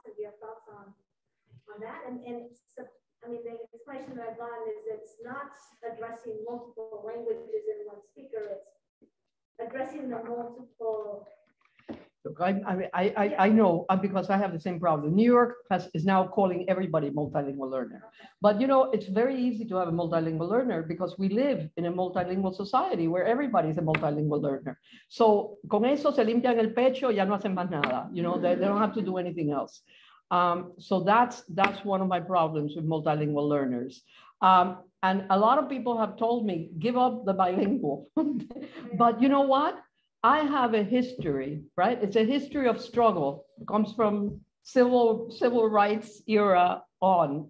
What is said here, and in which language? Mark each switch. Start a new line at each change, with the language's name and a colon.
English: Have you have thoughts on that? And the explanation that I've gotten is it's not addressing multiple languages in one speaker, it's addressing the multiple. Look, I know because I have the same problem. New York is now calling everybody multilingual learner. But you know, it's very easy to have a multilingual learner because we live in a multilingual society where everybody is a multilingual learner.
Spanish: So con eso se limpian el pecho, ya no hacen más nada.
English: You know, they don't have to do anything else. So that's one of my problems with multilingual learners. And a lot of people have told me, give up the bilingual. But you know what? I have a history, right? It's a history of struggle. It comes from civil rights era on.